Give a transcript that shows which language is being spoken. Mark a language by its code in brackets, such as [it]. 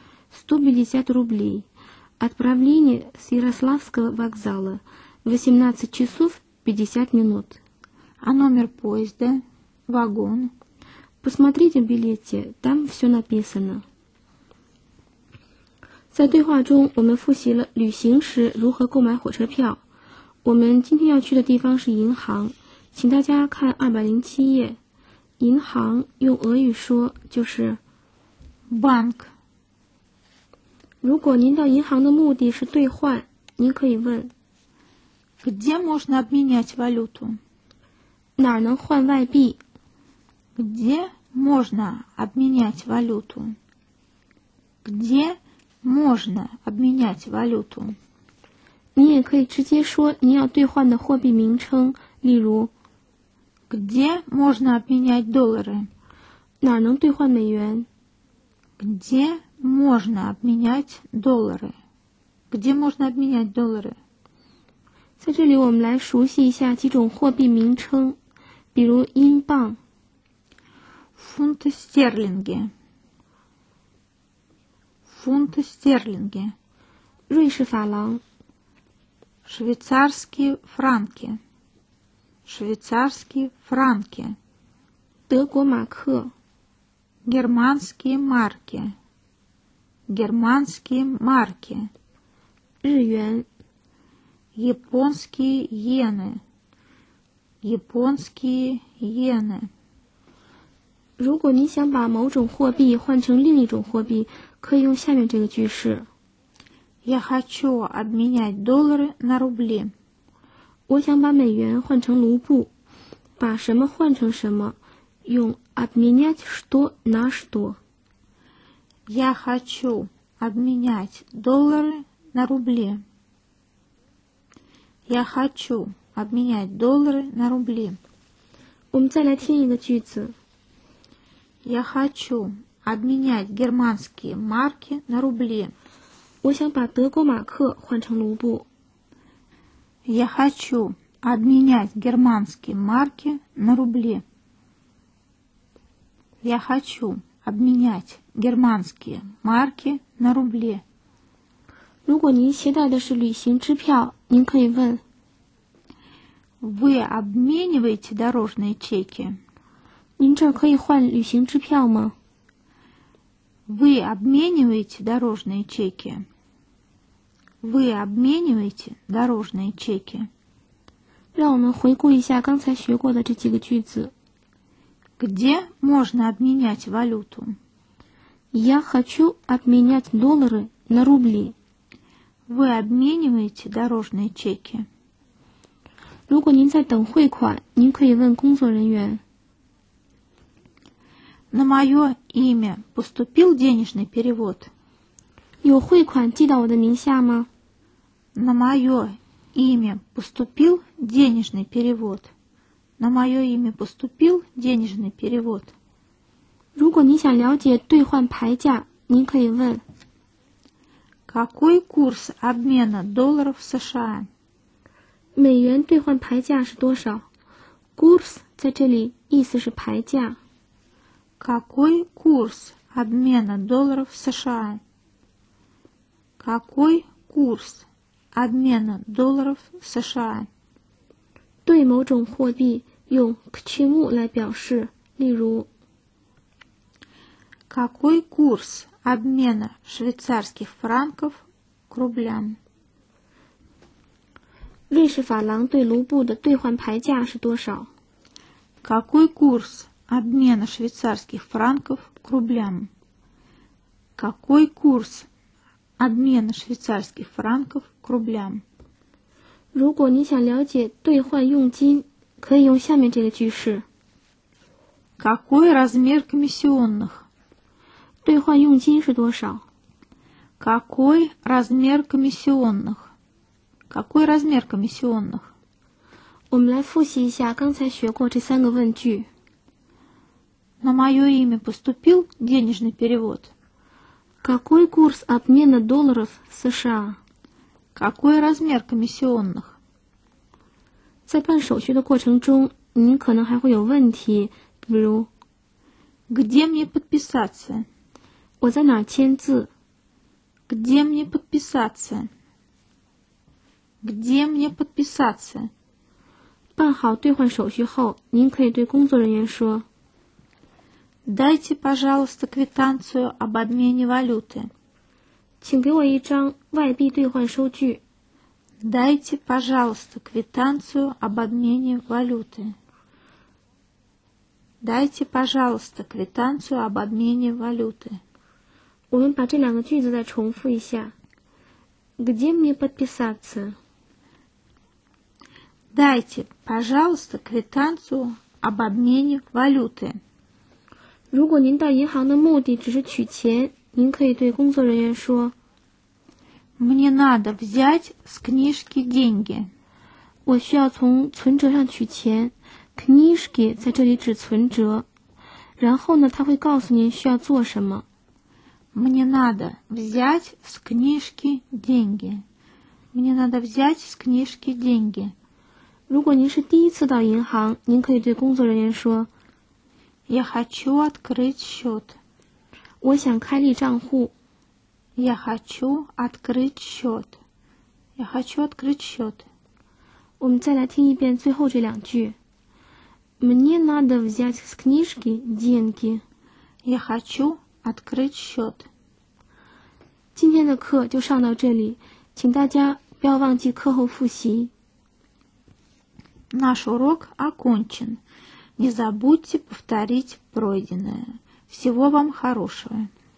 [ru] 150 рублей. Отправление с Ярославского вокзала. 18:50. А номер поезда? Вагон? Посмотрите в билете, там все написано. [zh] 在对话中，我们复习了旅行时如何购买火车票。我们今天要去的地方是银行，请大家看207页。银行用俄语说就是 [ru] bank。 [zh] 如果您到银行的目的是兑换，您可以问 [ru] где можно обменять валюту？ [zh] 哪儿能换外币？ [ru] где можно обменять валюту？ где можно обменять валюту. [zh] 你也可以直接说你要兑换的货币名称，例如 [ru] где можно обменять доллары? [zh] 哪儿能兑换美元? [ru] где можно обменять доллары? где можно обменять доллары? [zh] 在这里我们来熟悉一下几种货币名称，比如英镑 [ru] фунты стерлинги。 Фунты стерлинги. [zh] 瑞士法郎. [ru] Швейцарские франки. Швейцарские франки. [zh] 德国马克. [ru] Германские марки. Германские марки. [zh] 日元. [ru] Японские йены. Японские йены. [zh] 如果你想把某种货币换成另一种货币，可以用下面这个句式 [ru] Я хочу обменять доллары на рубли. [zh] 我想把美元换成卢布。把什么换成什么，用 [ru] обменять что на что. Я хочу обменять доллары на рубли. Я хочу обменять доллары на рубли. [zh] 我们再来听一个句子。 [ru] Я хочу обменять германские марки на рубли. [zh] 我想把德国马克换成卢布。 [ru] Я хочу обменять германские марки на рубли. Я хочу обменять германские марки на рубли. [zh] 如果您携带的是旅行支票，您可以问 [ru] Вы обмениваете дорожные чеки? [zh] 您这可以换旅行支票吗？ [ru] Вы обмениваете дорожные чеки? Вы обмениваете дорожные чеки? [zh] 让我们回顾一下刚才学过的这几个句子。 [ru] Где можно обменять валюту? Я хочу обменять доллары на рубли. Вы обмениваете дорожные чеки? [zh] 如果您在等汇款，您可以问工作人员。 [ru] На мое имя поступил денежный перевод? [zh] 有汇款寄到我的名下吗？ [ru] На мое имя поступил денежный перевод? На мое имя поступил денежный перевод. [zh] 如果你想了解兑换牌价，您可以问。 [ru] Какой курс обмена долларов США? [zh] 美元兑换牌价是多少？ Курс 在这里意思是牌价。 [ru] Какой курс обмена долларов США? Какой курс обмена долларов США? [zh] 对某种货币用 [ru] к чему [zh] 来表示，例如 [ru] Какой курс обмена швейцарских франков к рублям? [zh] 瑞士法郎对卢布的兑换牌价是多少？ [ru] Какой курс обмена швейцарских франков к рублям? Какой курс обмена швейцарских франков к рублям? [zh] 如果你想了解兑换佣金，可以用下面这个句式。 [ru] Какой размер комиссионных? [zh] 兑换佣金是多少? [ru] Какой размер комиссионных? Какой размер комиссионных? [zh] 我们来复习一下刚才学过这三个问句。 [ru] На мое имя поступил денежный перевод? Какой курс обмена долларов США? Какой размер комиссионных? [zh] 在办手续的过程中，您可能还会有问题，比如 [ru] Где мне подписаться? [zh] 我在哪签字？ [ru] Где мне подписаться? Где мне подписаться? [zh] 办好兑换手续后，您可以对工作人员说 [ru] Дайте, пожалуйста, квитанцию об обмене валюты. [zh] 请给我一张外币兑换收据。 [ru] Дайте, пожалуйста, квитанцию об обмене валюты. Дайте, пожалуйста, квитанцию об обмене валюты. [zh] 我们把这两个句子再重复一下。 [ru] Где мне подписаться? Дайте, пожалуйста, квитанцию об обмене валюты. [zh] 如果您到银行的目的只是取钱，您可以对工作人员说。 [ru] Мне надо взять с книжки деньги. [zh] 我需要从存折上取钱。 Книжки 在这里指存折。然后呢，他会告诉您需要做什么。 [ru] Мне надо взять с книжки деньги. Мне надо взять с книжки деньги. [zh] 如果您是第一次到银行，您可以对工作人员说。 [ru] Я хочу открыть счет. [zh] 我想开立账户。 [ru] Я хочу открыть счет. Я хочу открыть счет. [zh] 我们再来听一遍最后这两句。 [ru] Мне надо взять с книжки деньги. Я хочу открыть счет. [zh] 今天的课就上到这里，请大家不要忘记课后复习。 [ru] Наш урок окончен. Не забудьте повторить пройденное. Всего вам хорошего.